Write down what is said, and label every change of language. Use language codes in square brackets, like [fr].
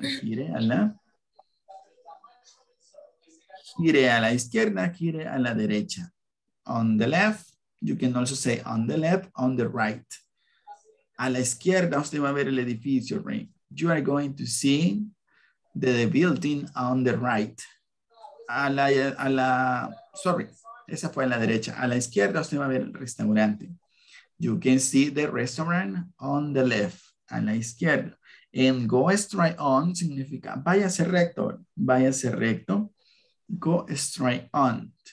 [es] Gire a la izquierda, gire a la derecha. [en] On the left, you can also say on the left, on the right. [es] A la izquierda, usted va a ver el edificio, right? [en] You are going to see the building on the right. [es] Esa fue a la derecha. A la izquierda usted va a ver el restaurante. [en] You can see the restaurant on the left, [es] a la izquierda. [en] And go straight on [es] significa váyase recto. [en] Go straight on.